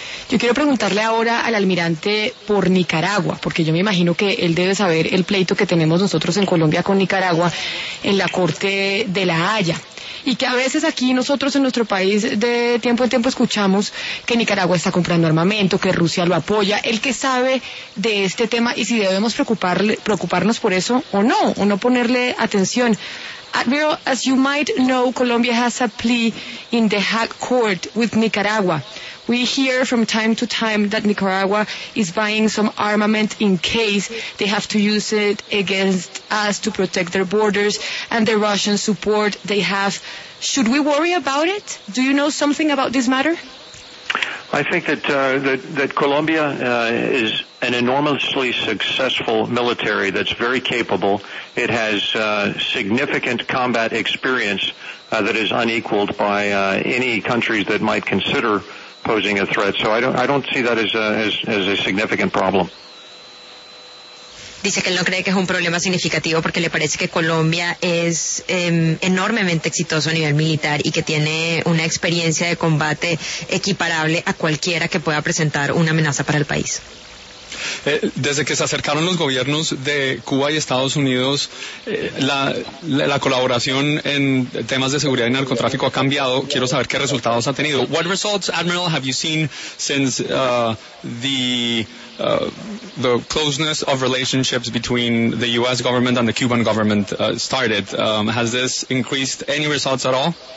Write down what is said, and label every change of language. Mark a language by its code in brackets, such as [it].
[es] Yo quiero preguntarle ahora al almirante por Nicaragua, porque yo me imagino que él debe saber el pleito que tenemos nosotros en Colombia con Nicaragua en la Corte de La Haya. Y que a veces aquí nosotros en nuestro país de tiempo en tiempo escuchamos que Nicaragua está comprando armamento, que Rusia lo apoya. ¿El que sabe de este tema y si debemos preocuparnos por eso o no ponerle atención? [en] Admiral, as you might know, Colombia has a plea in the Hague Court with Nicaragua. We hear from time to time that Nicaragua is buying some armament in case they have to use it against us to protect their borders and the Russian support they have. Should we worry about it? Do you know something about this matter? I think that that Colombia is an enormously successful military that's very capable. It has significant combat experience that is unequaled by any countries that might consider posing a threat. So I don't see that as a significant problem. [es] Dice que él no cree que es un problema significativo porque le parece que Colombia es enormemente exitoso a nivel militar y que tiene una experiencia de combate equiparable a cualquiera que pueda presentar una amenaza para el país. Desde que se acercaron los gobiernos de Cuba y Estados Unidos, la colaboración en temas de seguridad y narcotráfico ha cambiado. Quiero saber qué resultados ha tenido. [en] What results, Admiral, have you seen since the closeness of relationships between the U.S. government and the Cuban government started? Has this increased any results at all?